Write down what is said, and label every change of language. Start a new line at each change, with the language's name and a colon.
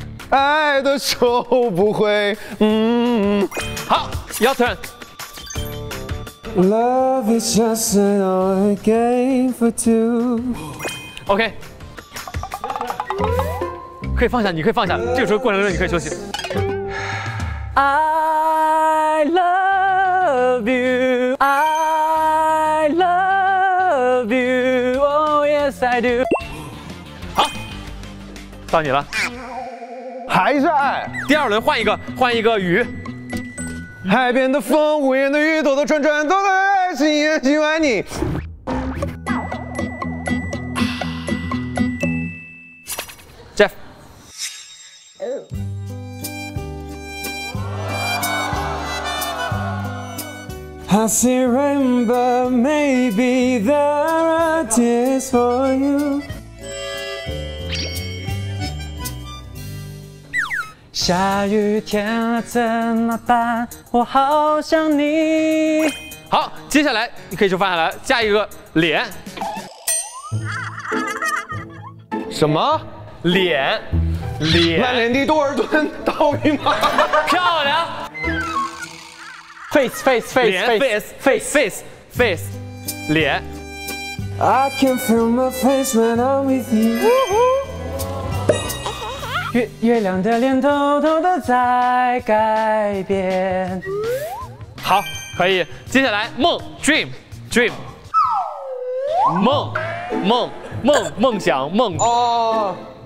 Chinese: 爱的手不会，好，
English: your turn。 Love is just an old game for two.
Chinese: OK， 可以放下，你可以放下。这个时候过程中你可以休息。
English: I love you, I love you, oh yes I do.
Chinese: 好，到你了，还是爱。第二轮换一个，换一个鱼。海边的风，屋檐的雨，朵朵串串，朵朵爱心也喜欢你。 Jeff，
English: I still remember, maybe there are tears for you。
Chinese: 下雨天了怎么办？我好想你。好，接下来你可以就放下来，下一个脸。什么？脸？脸？烂脸地多尔敦倒鱼吗？漂亮。
English: Face face face face face face face 脸。 I can feel my face when I'm with you。
Chinese: 月亮的脸偷偷的在改变。好，可以。接下来梦 ，
English: dream， dream，
Chinese: 梦，梦，梦，梦想，梦。哦。